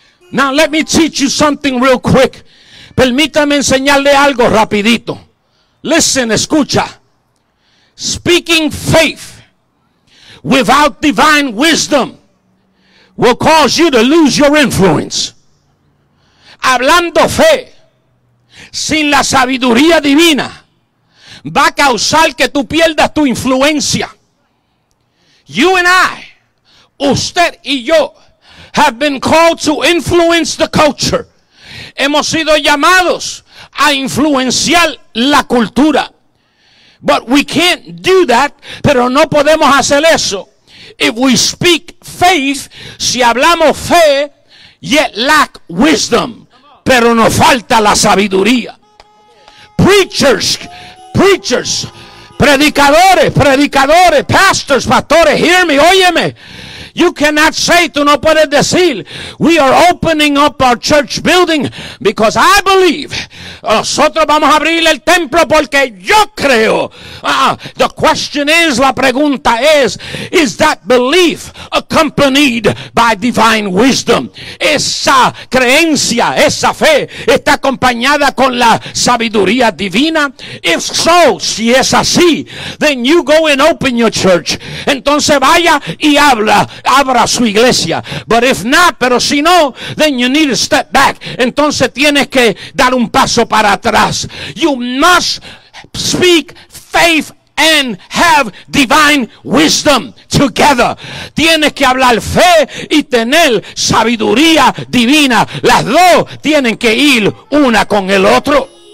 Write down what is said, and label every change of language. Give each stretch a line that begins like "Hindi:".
English: Now let me teach you something real quick.
Spanish: Permítame enseñarle algo rapidito.
English: Listen,
Spanish: escucha.
English: Speaking faith without divine wisdom will cause you to lose your influence.
Spanish: Hablando fe sin la sabiduría divina va a causar que tú pierdas tu influencia.
English: You and I,
Spanish: usted y yo,
English: have been called to influence the culture.
Spanish: Hemos sido llamados a influenciar la cultura.
English: But we can't do that,
Spanish: pero no podemos hacer eso.
English: If we speak faith,
Spanish: si hablamos fe,
English: yet lack wisdom,
Spanish: pero nos falta la sabiduría.
English: Preachers, predicadores, pastors, hear me,
Spanish: óyeme.
English: You cannot say,
Spanish: tú no puedes decir,
English: we are opening up our church building because I believe.
Spanish: Nosotros vamos a abrir el templo porque yo creo.
English: The question is,
Spanish: la pregunta
English: is that belief accompanied by divine wisdom?
Spanish: Esa creencia, esa fe, está acompañada con la sabiduría divina.
English: If so,
Spanish: si es así,
English: then you go and open your church.
Spanish: Entonces vaya y habla, abra su iglesia.
English: But if not,
Spanish: pero si no,
English: then you need to step back.
Spanish: Entonces tienes que dar un paso para atrás.
English: You must speak faith and have divine wisdom together.
Spanish: Tienes que hablar fe y tener sabiduría divina. Las dos tienen que ir una con el otro.